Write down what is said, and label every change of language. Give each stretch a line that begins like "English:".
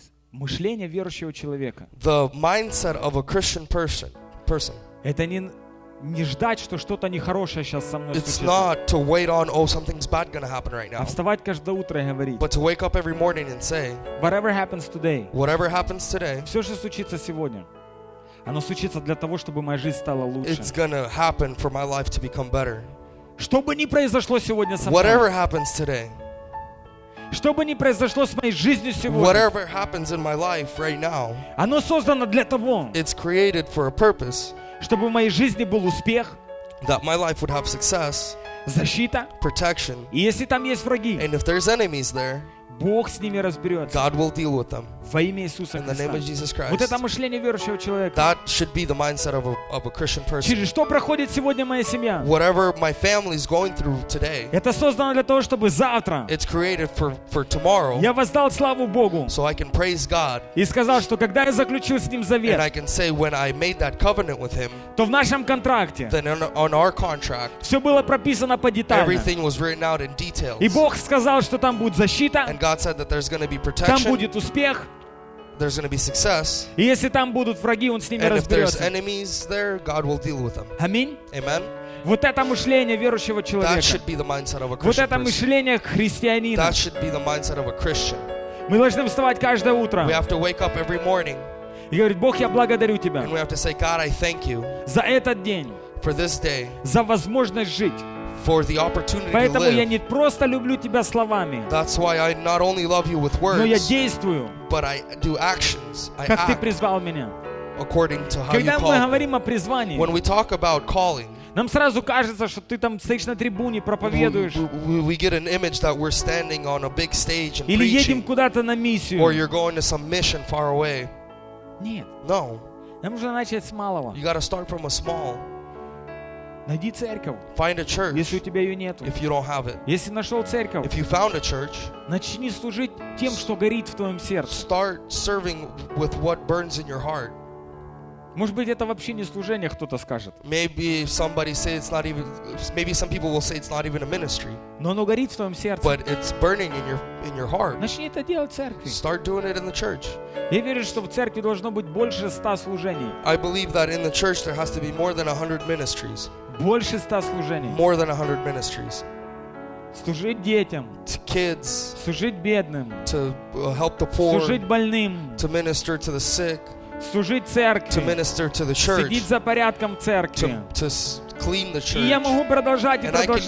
Russian: Мышление верующего человека.
English: The mindset of a Christian person.
Russian: Это не ждать, что что-то нехорошее сейчас со мной случится.
English: It's not to wait on, oh, something's bad gonna happen right now.
Russian: А вставать каждое утро и говорить.
English: But to wake up every morning and say. Whatever happens today. Whatever happens today.
Russian: Все, что случится сегодня, оно случится для того, чтобы моя жизнь стала лучше.
English: It's gonna happen for my life to become better.
Russian: Что бы ни произошло сегодня со мной.
English: Whatever happens today.
Russian: Что бы ни произошло с моей жизнью сегодня.
English: Whatever happens in my life right now.
Russian: Оно создано для того.
English: It's created for a purpose.
Russian: Чтобы в моей жизни был успех.
English: That my life would have success.
Russian: Защита.
English: Protection.
Russian: И если там есть враги.
English: And if there's enemies there.
Russian: Бог с ними разберется.
English: God will deal with them.
Russian: Во имя Иисуса Христа.
English: In the name of Jesus Christ.
Russian: Вот это мышление верующего человека.
English: That should be the mindset of a Christian person.
Russian: Через что проходит сегодня моя семья?
English: Whatever my family is going through today.
Russian: Это создано для того, чтобы завтра.
English: It's created for tomorrow.
Russian: Я воздал славу Богу.
English: So I can praise God.
Russian: И сказал, что когда я заключил с ним завет.
English: And I can say when I made that covenant with him.
Russian: То в нашем контракте.
English: Then on our contract.
Russian: Все было прописано по деталям.
English: Everything was written out in details.
Russian: И Бог сказал, что там будет защита.
English: God said that there's going to be protection.
Russian: Там будет успех.
English: There's going to be success.
Russian: И если там будут враги, он с ними разберется.
English: And if there's enemies there, God will deal with them.
Russian: Аминь.
English: Amen.
Russian: Вот это мышление верующего человека.
English: That should be the mindset of a Christian.
Russian: Вот это мышление христианина.
English: That should be the mindset of a Christian.
Russian: Мы должны вставать каждое утро.
English: We have to wake up every morning.
Russian: И говорить: Бог, я благодарю тебя.
English: And we have to say, God, I thank you.
Russian: За этот день.
English: For this day.
Russian: За возможность жить.
English: For the opportunity
Russian: Поэтому
English: to live.
Russian: Я не просто люблю тебя словами.
English: That's why I not only love you with words.
Russian: Но я действую.
English: But I do actions. I
Russian: как
English: act.
Russian: Ты призвал меня.
English: According to how
Russian: Когда
English: you
Russian: мы говорим о призвании,
English: when we talk about calling,
Russian: нам сразу кажется, что ты там стоишь на трибуне, проповедуешь.
English: We get an image that we're standing on a big stage and
Russian: Или
English: preaching.
Russian: Едем куда-то на миссию.
English: Or you're going to some mission far away.
Russian: Нет.
English: No.
Russian: Нам нужно начать с малого.
English: You got to start from a small.
Russian: Найди церковь.
English: Find a church.
Russian: Если у тебя ее нету.
English: If you don't have it.
Russian: Если нашел церковь.
English: If you found a church.
Russian: Начни служить тем, что горит в твоем сердце.
English: Start serving with what burns in your heart.
Russian: Может быть, это вообще не служение, кто-то скажет.
English: Maybe somebody say it's not even. Maybe some people will say it's not even a ministry.
Russian: Но оно горит в твоем сердце.
English: But it's burning in your heart.
Russian: Начни это делать в церкви.
English: Start doing it in the church.
Russian: Я верю, что в церкви должно быть больше 100 служений.
English: I believe that in the church there has to be more than 100 ministries.
Russian: Больше 100 служений.
English: More than 100 ministries.
Russian: Служить детям.
English: To kids.
Russian: Служить бедным.
English: To help the poor.
Russian: Служить больным.
English: To minister to the sick.
Russian: Служить церкви.
English: To minister to the church.
Russian: Следить за порядком церкви.
English: To clean the church.
Russian: И я могу продолжать и продолжать.